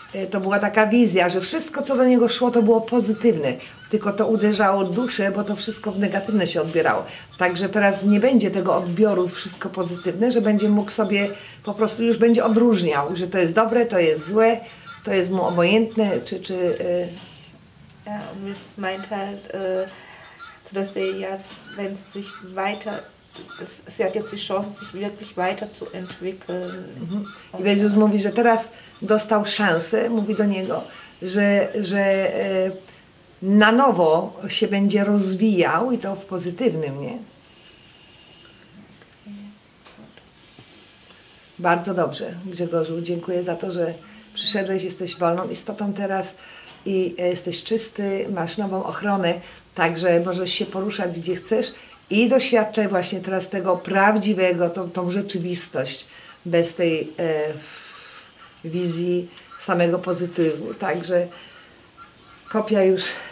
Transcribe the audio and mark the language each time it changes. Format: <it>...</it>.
<pl>To była taka wizja, że wszystko, co do niego szło, to było pozytywne. Tylko to uderzało duszę, bo to wszystko w negatywne się odbierało. Także teraz nie będzie tego odbioru wszystko pozytywne, że będzie mógł sobie po prostu już będzie odróżniał, że to jest dobre, to jest złe, to jest mu obojętne, czy...</pl> <de>Ja, und es meint halt, zu der Seele, ja, wenn sie sich weiter... Sie hat jetzt die Chance, sich wirklich weiterzuentwickeln.</de> <pl>I Jezus mówi, że teraz dostał szansę, mówi do niego, że na nowo się będzie rozwijał i to w pozytywnym, nie? Bardzo dobrze, Grzegorzu, dziękuję za to, że przyszedłeś, jesteś wolną istotą teraz i jesteś czysty, masz nową ochronę, także możesz się poruszać, gdzie chcesz i doświadczaj właśnie teraz tego prawdziwego, tą rzeczywistość bez tej wizji samego pozytywu, także kopia już</pl>